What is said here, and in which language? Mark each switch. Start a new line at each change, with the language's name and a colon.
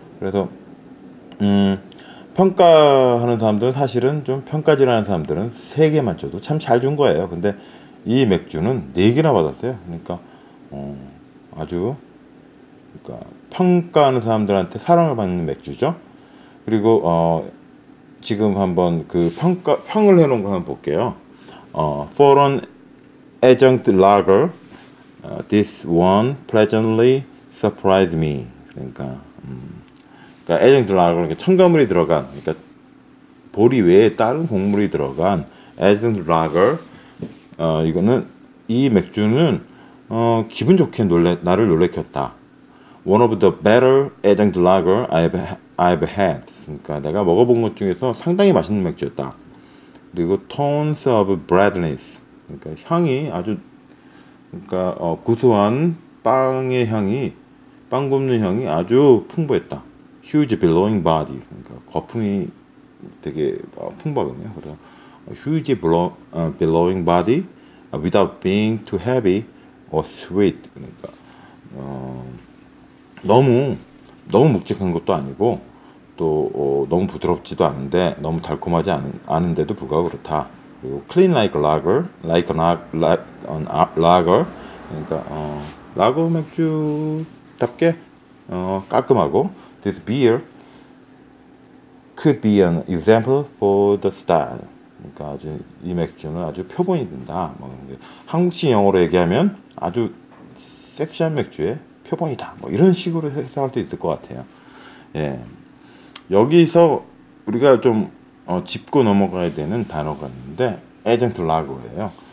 Korean: 그래서 평가하는 사람들은 사실은 좀 평가질하는 사람들은 3개만 줘도 참잘준 거예요. 근데 이 맥주는 4개나 받았어요. 그러니까 아주 그러니까 평가하는 사람들한테 사랑을 받는 맥주죠. 그리고 지금 한번 그 평을 해놓은 거 한번 볼게요.
English: Foreign Adjunct Lager, this one pleasantly surprised me.
Korean: 그러니까 Adjunct Lager, 첨가물이 들어간, 그러니까 보리 외에 다른 곡물이 들어간 Adjunct Lager. 이거는 이 맥주는 기분 좋게 나를 놀래켰다.
English: One of the better Adjunct Lager I've had.
Korean: 그러니까 내가 먹어본 것 중에서 상당히 맛있는 맥주였다. 그리고
English: tones of breadiness.
Korean: 그러니까 향이 아주 그러니까 구수한 빵의 향이 빵 굽는 향이 아주 풍부했다.
English: Huge blowing body.
Korean: 그러니까 거품이 되게 풍부하거든요. 그래서
English: huge blowing body without being too heavy or sweet.
Korean: 그러니까 너무 너무 묵직한 것도 아니고 또 너무 부드럽지도 않은데 너무 달콤하지 않은데도 불구하고 그렇다. 그리고
English: clean like lager, like an lager.
Korean: 그러니까 라거 맥주답게 깔끔하고
English: this beer could be an example for the style.
Korean: 그러니까 아주 이 맥주는 아주 표본이 된다. 뭐 한국식 영어로 얘기하면 아주 섹시한 맥주의 표본이다. 뭐 이런 식으로 해석할 수 있을 것 같아요. 예. 여기서 우리가 좀 짚고 넘어가야 되는 단어가 있는데 에이전트 라거예요.